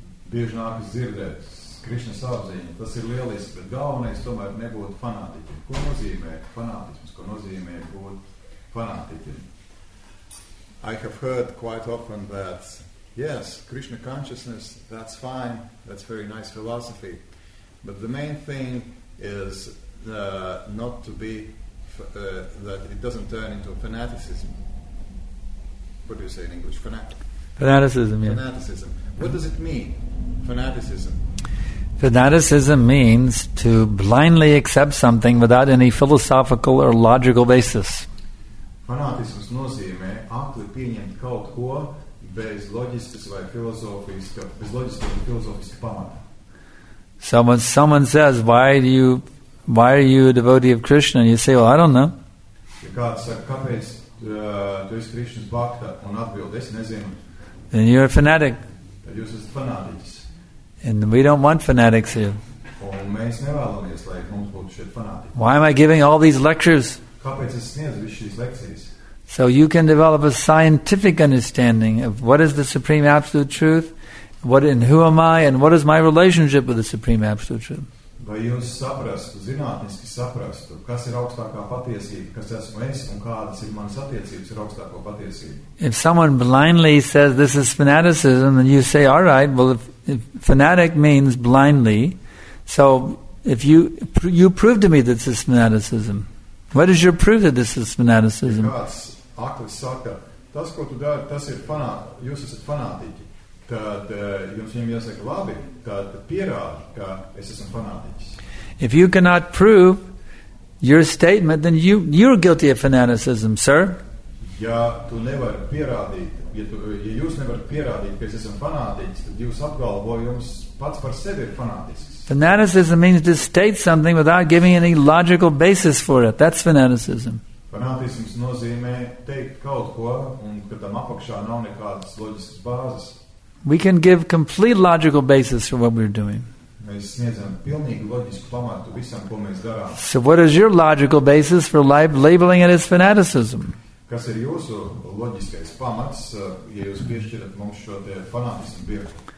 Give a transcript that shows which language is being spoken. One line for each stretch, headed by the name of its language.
Latvian: Bieži nākas dzirdēt Krišna savziņu. Tas ir lieliski, bet galvenais tomēr nebūt fanātiķi. Ko nozīmē fanātisms? Ko nozīmē būt fanātiķi?
English: I have heard quite often that, yes, Krishna consciousness, that's fine, that's very nice philosophy. But the main thing is not to be, that it doesn't turn into fanaticism. What do you say in English? Fanaticism, yeah. Fanaticism. What does it mean? Fanaticism. Fanaticism means to blindly accept something without any philosophical or logical basis.
Latvian: Fanatisms nozīmē akli pieņemt kaut ko bez loģiskas vai filozofiska, bez loģiskas vai filozofiska pamata.
English: So when someone says, why are you a devotee of Krishna? You say, well, I don't know.
Latvian: Ja kāds saka, kāpēc tu esi Krishnas bhakta un atbild, es nezinu.
English: Then you're a fanatic.
Latvian: Jūs esat fanātiķis.
English: And we don't want fanatics here.
Latvian: Un mēs nevēlamies, lai mums būtu šeit fanātiķi.
English: Why am I giving all these lectures?
Latvian: Kāpēc es sniedzu visu šīs lekcijas?
English: So you can develop a scientific understanding of what is the Supreme Absolute Truth, what and who am I, and what is my relationship with the Supreme Absolute Truth.
Latvian: Vai jūs saprastu, zinātniski saprastu, kas ir augstākā patiesība, kas esmu es, un kādas ir manas attiecības ar augstāko patiesību?
English: If someone blindly says this is fanaticism, then you say, all right, well, if fanatic means blindly, so if you prove to me that this is fanaticism, what is your proof that this is fanaticism?
Latvian: Ja kāds aklis saka, tas, ko tu dari, tas ir fanātiķi, jūs esat fanātiķi. Tad jums viņam jāsaka, labi, tad pierādi, ka es esmu fanātiķis.
English: If you cannot prove your statement, then you're guilty of fanaticism, sir.
Latvian: Ja tu nevar pierādīt, ja jūs nevarat pierādīt, ka es esmu fanātiķis, tad jūs apgalvojums pats par sevi ir fanātisks.
English: Fanaticism means to state something without giving any logical basis for it. That's fanaticism.
Latvian: Fanātisms nozīmē teikt kaut ko, un ka tam apakšā nav nekādas loģiskas bāzes.
English: We can give complete logical basis for what we're doing.
Latvian: Mēs sniedzam pilnīgi loģisku pamatu visam, ko mēs darām.
English: So what is your logical basis for life labeling it as fanaticism?
Latvian: Kas ir jūsu loģiskais pamats, ja jūs piešķirat mums šo te fanātismu bieži?